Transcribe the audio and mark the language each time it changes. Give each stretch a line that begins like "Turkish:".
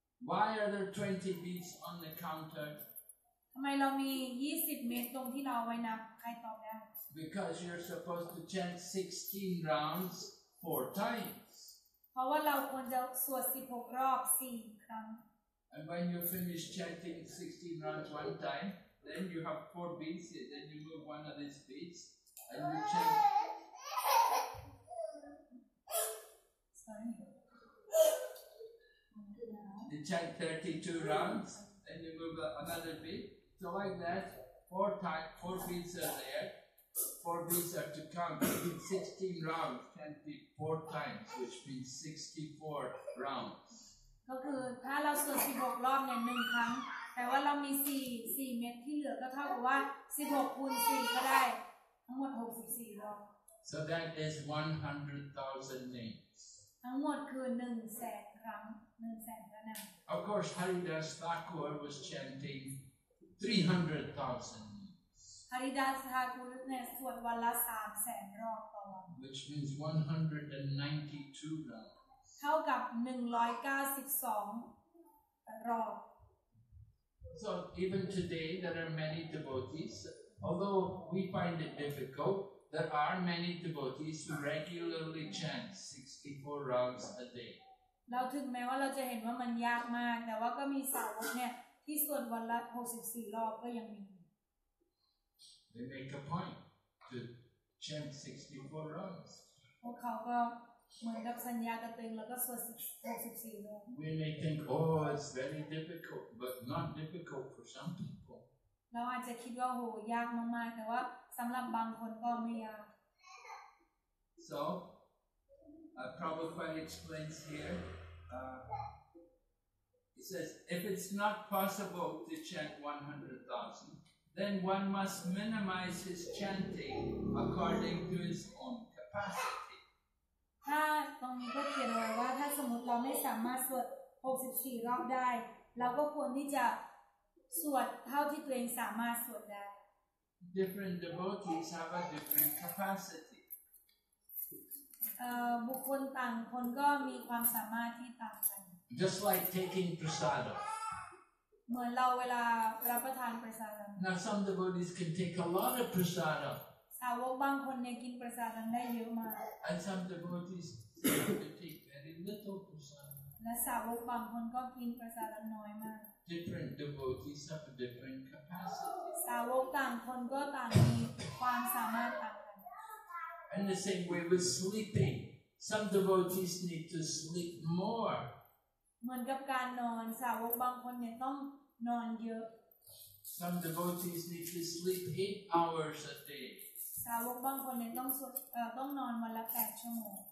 English: Why are there 20 beads on the counter?
Thai: ทำไมเรามี20เม็ดตรงที่เราไว้นับใครตอบได้
English: Because you're supposed to chant 16 rounds 4 times.
Thai: เพราะว่าเราควรจะสวด16รอบ4ครั้ง
English: And when you finish chanting 16 rounds one time, then you have 4 beads, then you move one of these beads and you chant. Sorry. You chant 32 rounds, then you move another beat. So like that, four beats are there, four beats are to come. 16 rounds can be four times, which means 64 rounds.
Thai: ก็คือถ้าเราสวด16รอบเนี่ย1ครั้งแต่ว่าเรามี4เม็ดที่เหลือก็เท่ากับว่า16คูณ4ก็ได้ทั้งหมด64รอบ
English: So that is 100,000 names.
Thai: ทั้งหมดคือ100,000ครั้ง
English: Of course, Haridas Thakur was chanting 300,000 names. Haridas Thakur was chanting 300,000 names. Which means 192 rounds.
Thai: เท่ากับ192รอบ
English: So even today, there are many devotees. Although we find it difficult, there are many devotees who regularly chant 64 rounds a day.
Thai: เราถึงแม้ว่าเราจะเห็นว่ามันยากมากแต่ว่าก็มีสาวกเนี่ยที่สวดวันละ64รอบก็ยังมี
English: They make a point to chant 64 rounds
Thai: พวกเขาก็เหมือนกับสัญญากับตัวเองแล้วก็สวด64รอบ
English: We may think oh it's very difficult but not difficult for some people
Thai: เราอาจจะคิดว่าโหยากมากๆแต่ว่าสำหรับบางคนก็ไม่ยาก
English: SoPrabhupada explains here, he says, if it's not possible to chant 100,000, then one must minimize his chanting according to his own capacity.
Thai: ถ้าตรงนี้ก็เขียนไว้ว่าถ้าสมมติเราไม่สามารถสวด64รอบได้เราก็ควรที่จะสวดเท่าที่ตัวเองสามารถสวดได้
English: Different devotees have a different capacity
Thai: บุคคลต่างคนก็มีความสามารถที่ต่างกัน
English: Just like taking prasadam
Thai: เหมือนเราเวลารับประทานประสาดม
English: Now some devotees can take a lot of prasadam
Thai: สาวกบางคนเนี่ยกินประสาดมได้เยอะมาก
English: And some devotees have to take very
Thai: และสาวกบางคนก็กินประสาทน้อยมาก
English: different devotees have different capacity
Thai: สาวกต่างคนก็ต่างมีความสามารถต่างกัน
English: and the same way with sleeping some devotees need to sleep more
Thai: เหมือนกับการนอนสาวกบางคนเนี่ยต้องนอนเยอะ
English: some devotees need to sleep 8 hours a day
Thai: สาวกบางคนเนี่ยต้องนอนวันละ8ชั่วโมง